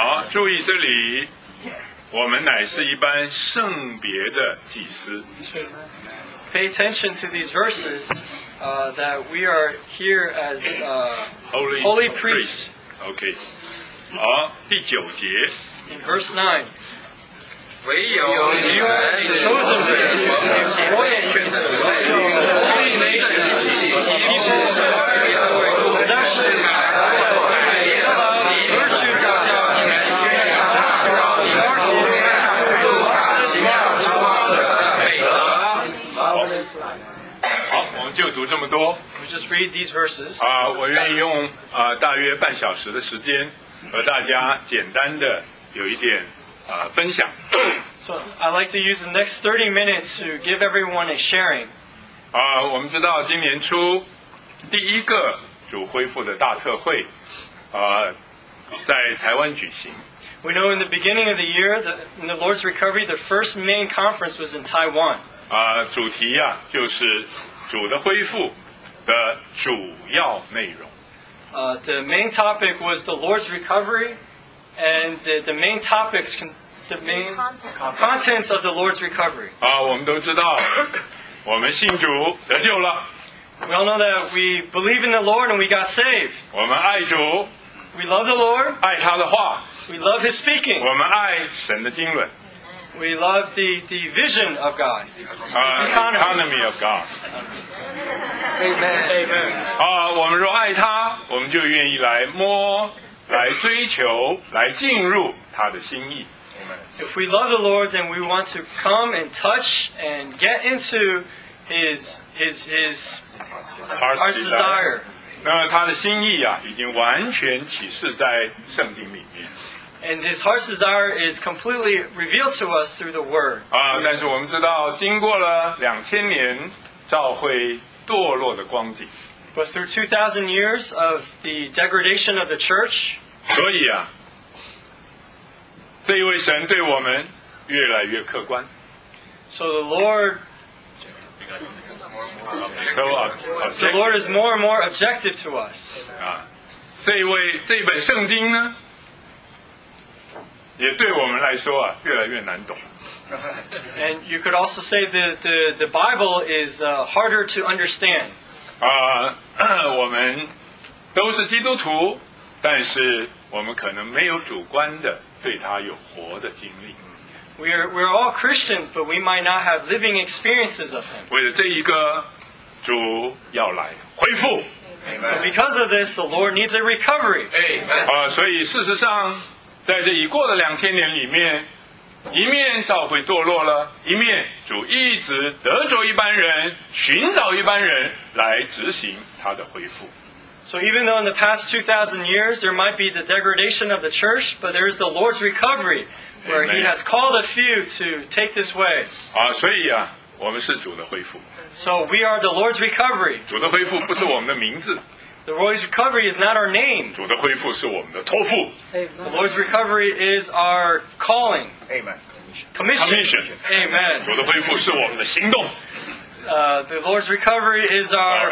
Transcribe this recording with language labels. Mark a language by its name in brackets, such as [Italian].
[Chinese] 注意这里，我们乃是一般圣别的祭司。 [English] Pay attention to these verses, that we are here as holy priests. Okay. [Chinese] 好，第九节。 [English] In verse 9. [Chinese] 唯有你们是 [English] chosen race, [Chinese] 我也选择了 [English] holy nation, [Chinese] 以及是圣别的国度，但是买来的。就读这么多。 [English] We just read these verses. [Chinese] 我愿意用大约半小时的时间和大家简单的有一点分享。 [English] So I'd like to use the next 30 minutes to give everyone a sharing. [Chinese] 我们知道今年初第一个主恢复的大特会在台湾举行。 [English] We know in the beginning of the year, in the Lord's recovery, the first main conference was in Taiwan. [Chinese] 主题呀、就是。主的恢复的主要内容。 [English] The main topic was the Lord's recovery, and the main topics, the main contents of the Lord's recovery. [Chinese] 我们都知道，我们信主得救了。 [English] We all know that we believe in the Lord and we got saved. [Chinese] 我们爱主。 [English] We love the Lord. [Chinese] 爱他的话。 [English] We love His speaking. [Chinese] 我们爱神的经纶。 [English] We love the vision of God. Economy of God. Amen. [Chinese] 我们若爱他，我们就愿意来摸，来追求，来进入他的心意。 [English] If we love the Lord, then we want to come and touch and get into his desire. [Chinese] 那他的心意啊，已经完全启示在圣经里面。 [English] And his heart's desire is completely revealed to us through the word. [Chinese] 但是我们知道，经过了2000年教会堕落的光景。 [English] But through 2000 years of the degradation of the church. [Chinese] 所以啊，这一位神对我们越来越客观。 [English] So the Lord. So the Lord is more and more objective to us. [Chinese] 这一本圣经呢？也对我们来说啊，越来越难懂。 [English] And you could also say that the Bible is harder to understand. [Chinese] 我们都是基督徒，但是我们可能没有主观的对他有活的经历。 [English] We're all Christians, but we might not have living experiences of him. [Chinese] 为了这一个主要来恢复。 [English] Amen. So because of this, the Lord needs a recovery. Amen. [Chinese] 所以事实上。在这已过的2000年里面，一面教会堕落了，一面主一直得着一般人，寻找一般人来执行他的恢复。 [English] So even though in the past 2000 years there might be the degradation of the church, but there is the Lord's recovery where he has called a few to take this way. [Chinese] 所以啊，我们是主的恢复。 [English] So we are the Lord's recovery. [Chinese] 主的恢复不是我们的名字。 [English] The Lord's recovery is not our name. The Lord's recovery is our calling. Amen. Commission. Amen. The Lord's recovery is our